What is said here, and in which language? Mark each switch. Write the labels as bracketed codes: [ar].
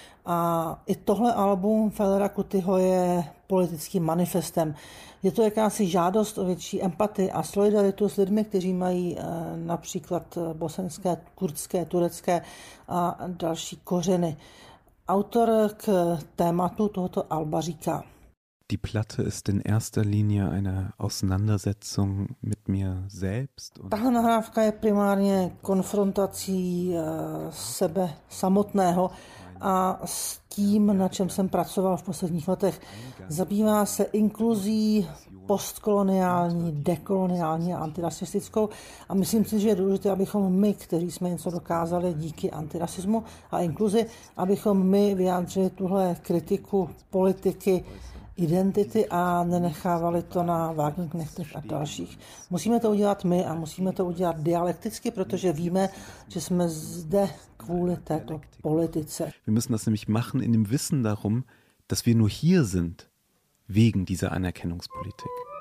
[cs] A i tohle album Felera Kutyho je politickým manifestem. Je to jakási žádost o větší empatii a solidaritu s lidmi, kteří mají například bosenské, kurdské, turecké a další kořeny. Autor k tématu tohoto alba říká: [de] Die Platte ist in erster Linie eine Auseinandersetzung mit mir selbst. [cs] Tahle nahrávka je primárně konfrontací sebe samotného a s tím, na čem jsem pracoval v posledních letech. Zabývá se inkluzí postkoloniální, dekoloniální a antirasistickou a myslím si, že je důležité, abychom my, kteří jsme něco dokázali díky antirasismu a inkluzi, abychom my vyjádřili tuhle kritiku politiky identity a nenechávali to na vágních knechtech a dalších. Musíme to udělat my a musíme to udělat dialekticky, protože víme, že jsme zde kvůli této politice. [de] Wir müssen das nämlich machen in dem Wissen darum, dass wir nur hier sind wegen dieser Anerkennungspolitik.